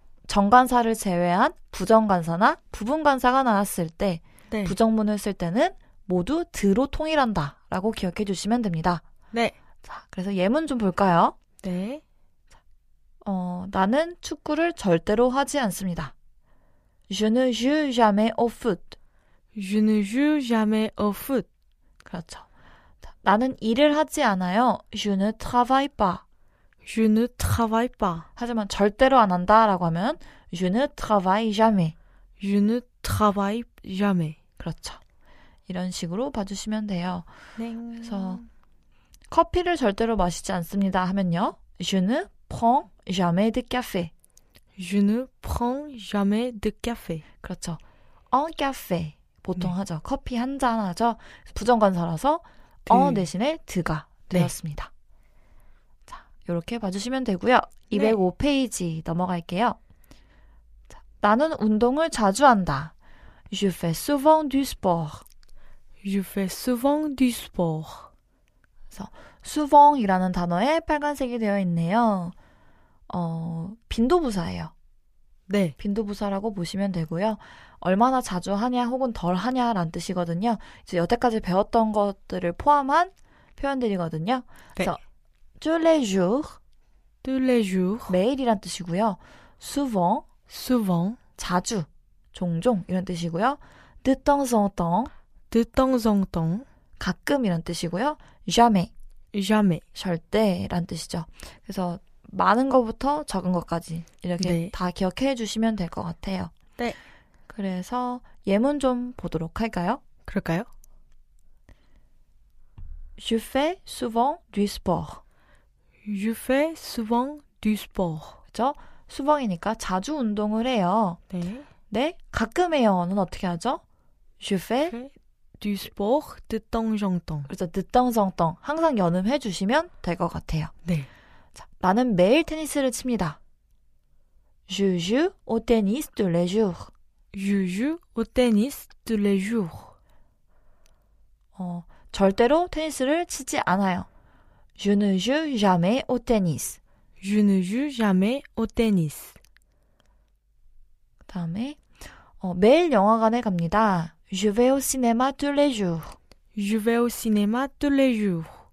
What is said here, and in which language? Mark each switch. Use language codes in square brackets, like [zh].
[ko] 정관사를 제외한 부정관사나 부분관사가 나왔을 때 네. 부정문을 쓸 때는 모두 the로 통일한다 라고 기억해 주시면 됩니다. 네. 자, 그래서 예문 좀 볼까요? 네. 나는 축구를 절대로 하지 않습니다. [fr] Je ne joue jamais au foot. Je ne joue jamais au foot. [ko] 그렇죠. 나는 일을 하지 않아요. [fr] Je ne travaille pas. Je ne travaille pas. [ko] 하지만 절대로 안 한다라고 하면 [fr] Je ne travaille jamais. Je ne travaille jamais. [ko] 그렇죠. 이런 식으로 봐주시면 돼요. 네. 그래서 커피를 절대로 마시지 않습니다 하면요. [fr] Je ne prends jamais de café. Je ne prends jamais de café. [ko] 그렇죠. [fr] Un café [ko] 보통 네. 하죠. 커피 한잔 하죠. 부정관사라서 대신에 드가 네. 되었습니다. 자, 이렇게 봐주시면 되고요. 네. 205페이지 넘어갈게요. 자, 나는 운동을 자주 한다. [fr] Je fais souvent du sport. Je fais souvent du sport. [ko] 그래서 souvent이라는 단어에 빨간색이 되어 있네요. 빈도부사예요. 네. 빈도부사라고 보시면 되고요. 얼마나 자주 하냐 혹은 덜 하냐란 뜻이거든요. 이제 여태까지 배웠던 것들을 포함한 표현들이거든요. 그래서 [fr] tous les jours, Tous les jours, [ko] 매일이란 뜻이고요. souvent, [fr] souvent, [ko] 자주, 종종 이런 뜻이고요. [fr] de temps en temps, de temps en temps, [ko] 가끔 이런 뜻이고요. jamais, [fr] jamais. [ko] 절대란 뜻이죠. 그래서 많은 것부터 적은 것까지 이렇게 네. 다 기억해 주시면 될것 같아요. 네. 그래서 예문 좀 보도록 할까요? 그럴까요? [fr] Je fais souvent du sport. Je fais souvent du sport. [ko] 그렇죠? souvent이니까 자주 운동을 해요. 네. 네, 가끔 해요는 어떻게 하죠? [fr] Je fais Je fais du sport de temps en temps. [ko] 그렇죠? [fr] de temps en temps. [ko] 항상 연음해 주시면 될것 같아요. 네. 자, 나는 매일 테니스를 칩니다. [fr] Je joue au tennis tous les jours. Je joue au tennis tous les jours. [ko] 절대로 테니스를 치지 않아요. [fr] Je ne joue jamais au tennis. Je ne joue jamais au tennis. [ko] 그 다음에, 매일 영화관에 갑니다. [fr] Je vais au cinéma tous les jours. Je vais au cinéma tous les jours.